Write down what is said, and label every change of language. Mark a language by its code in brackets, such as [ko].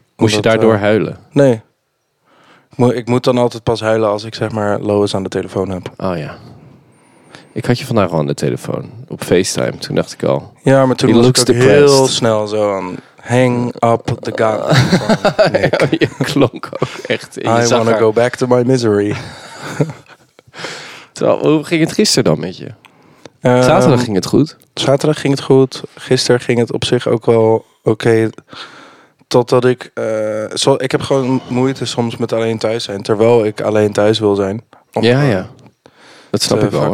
[nl] Moest je daardoor huilen? Nee. Ik moet dan altijd pas huilen als ik zeg maar Lois aan de telefoon heb. Oh ja. Ik had je vandaag al aan de telefoon. Op FaceTime. Toen dacht ik al. Ja, maar toen was ik ook heel snel zo aan. [en] Hang up the gun. [nl] Je klonk ook echt. [en] I wanna go back to my misery. [nl] Hoe ging het gisteren dan met je? Zaterdag ging het goed. Zaterdag ging het goed. Gisteren ging het op zich ook wel oké. Totdat ik... ik heb gewoon moeite soms met alleen thuis zijn. Terwijl ik alleen thuis wil zijn. Ja. Dat snap ik wel.